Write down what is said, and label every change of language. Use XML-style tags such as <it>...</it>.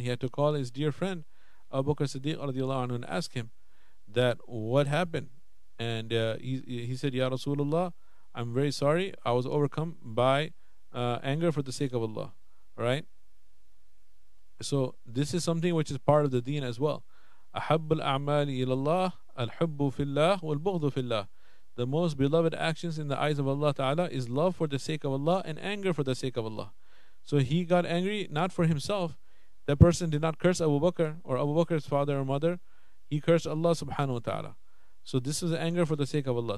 <en>He had to call his dear friend Abu Bakr Siddiq radiallahu anhu and ask him that what happened. And he said, Ya Rasulullah, I'm very sorry, I was overcome by anger for the sake of Allah. Right? So this is something which is part of the deen as well.</en> <ar>أحب الأعمال إلى الله الحب في الله والبغض في الله.</ar> <en>The most beloved actions in the eyes of Allah Ta'ala is love for the sake of Allah and anger for the sake of Allah. So he got angry, not for himself. That person did not curse Abu Bakr or Abu Bakr's father or mother. He cursed Allah Subhanahu Wa Ta'ala. So this was anger for the sake of Allah.</en>